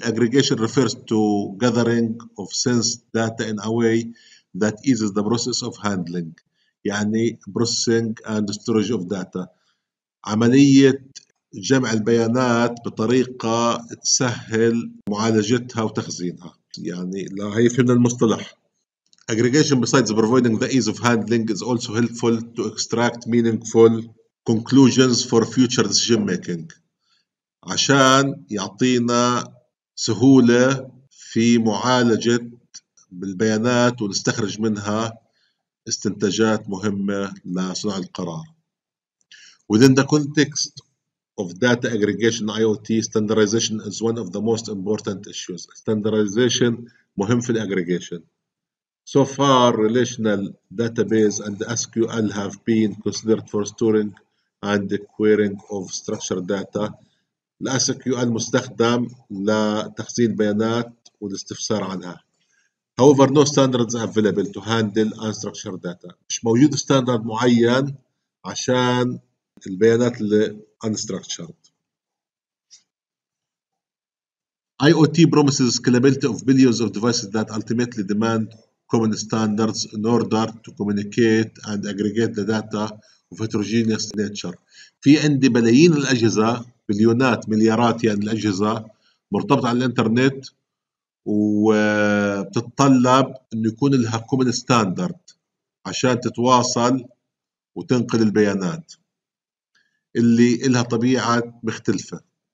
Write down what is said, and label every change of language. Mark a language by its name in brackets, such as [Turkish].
[English] Aggregation refers to gathering of sense data in a way that eases the process of handling. [Arabic] يعني [English] processing and storage of data. [Arabic] عملية جمع البيانات بطريقة تسهل معالجتها وتخزينها. يعني لا هي فهمنا المصطلح. [English] Aggregation besides providing the ease of handling is also helpful to extract meaningful conclusions for future decision making. [Arabic] عشان يعطينا سهولة في معالجة بالبيانات ونستخرج منها استنتاجات مهمة لصنع القرار. [English] Within the context of data aggregation IoT, standardization is one of the most important issues. Standardization [Arabic] مهم في [English] الaggregation. So far, relational database and SQL have been considered for storing and querying of structured data. [Arabic] الـ SQL مستخدم لتخزين بيانات والاستفسار عنها. [English] However, no standards available to handle unstructured data. [Arabic] مش موجود ستاندرد معين عشان البيانات الـ unstructured. [English] IoT promises scalability of billions of devices that ultimately demand common standards in order to communicate and aggregate the data of heterogeneous nature. [Arabic] في عندي ملايين الأجهزة، بليونات مليارات يعني الأجهزة مرتبطة على الإنترنت، وبتتطلب أن يكون لها [English] common standard [Arabic] عشان تتواصل وتنقل البيانات اللي لها طبيعة مختلفة.